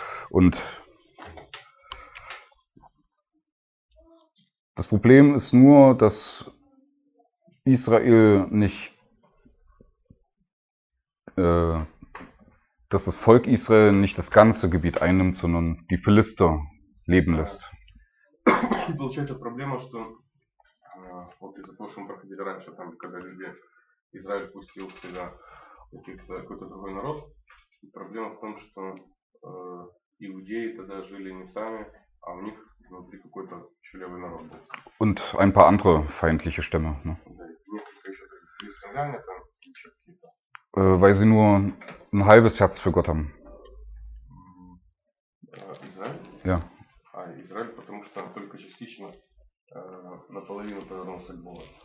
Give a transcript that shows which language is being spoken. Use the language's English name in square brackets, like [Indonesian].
[German] Und das Problem ist nur, dass Israel nicht, dass das Volk Israel nicht das ganze Gebiet einnimmt, sondern die Philister leben lässt. [Russian] И получается проблема, что вот из-за того, что мы проходили раньше, там, когда люди Израиль пустил сюда какой-то другой народ. И проблема в том, что иудеи тогда жили не сами, а у них внутри какой-то еще левый народ был. [German] Und ein paar andere feindliche Stämme, ne? [Russian] Да, и несколько еще христианляне там, еще какие-то. [German] Weil sie nur ein halbes Herz für Gott haben. [Russian] Израиль? [German] Ja. [Russian] А, Израиль, потому что там только частично наполовину повернулся к Богу.